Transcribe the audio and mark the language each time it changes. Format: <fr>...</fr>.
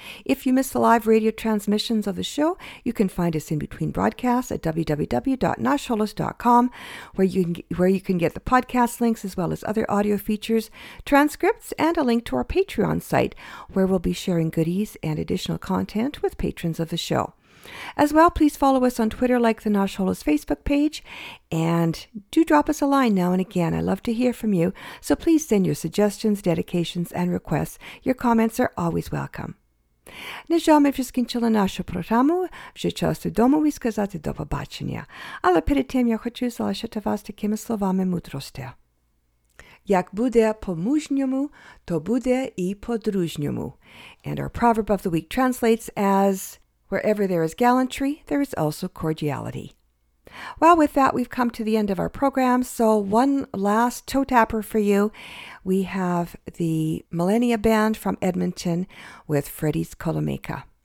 <en>If you miss the live radio transmissions of the show, you can find us in between broadcasts at www.nashholos.com, where you can get the podcast links as well as other audio features, transcripts, and a link to our Patreon site, where we'll be sharing goodies and additional content with patrons of the show. As well, please follow us on Twitter, like the Nash Holos Facebook page, and do drop us a line now and again. I love to hear from you, so please send your suggestions, dedications, and requests. Your comments are always welcome.</en> <uk>На жаль, ми закінчили нашу програму. Вже час домовій сказати до побачення. Але перед тим я хочу залишити вас такими словами мудрості. Як буде по-мужньому, то буде і по-дружньому.</uk> <en>And our proverb of the week translates as, wherever there is gallantry, there is also cordiality. Well, with that, we've come to the end of our program. So one last toe-tapper for you. We have the Millennia Band from Edmonton with Freddy's Kolomeka.</en>